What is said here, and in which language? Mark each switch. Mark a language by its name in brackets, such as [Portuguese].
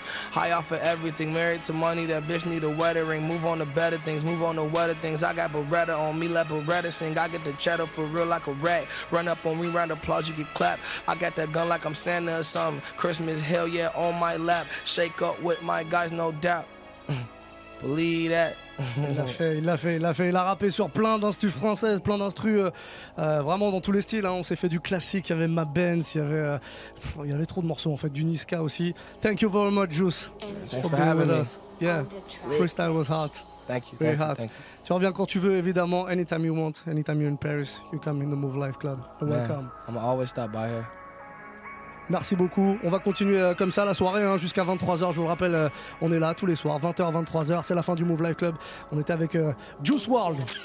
[English] High off of everything, married to money. That bitch need a wedding ring. Move on to better things, move on to wetter things. I got Beretta on me, let Beretta sing. I get the cheddar for real like a rat. Run up on me, round applause, you get clapped. I got that gun like I'm Santa or something. Christmas, hell yeah. On my lap, shake up with my guys, no doubt. Believe that. [French] Il a rappé sur plein d'instrus françaises, plein d'instrus vraiment dans tous les styles. Hein. On s'est fait du classique, il y avait Mouv Benz, il y avait trop de morceaux en fait, du Niska aussi. [English] Thank you very much, Juice. Thanks for having with me. Us. Yeah, freestyle was hot. Thank you. Very thank hot. [French] Tu reviens quand tu veux, évidemment. [English] Anytime you want, anytime you're in Paris, you come in the Mouv Life Club. You're welcome. I'm always stop by here. [French] Merci beaucoup, on va continuer comme ça la soirée hein, jusqu'à 23h, je vous le rappelle, on est là tous les soirs, 20h-23h, c'est la fin du Mouv Life Club, on était avec Juice WRLD.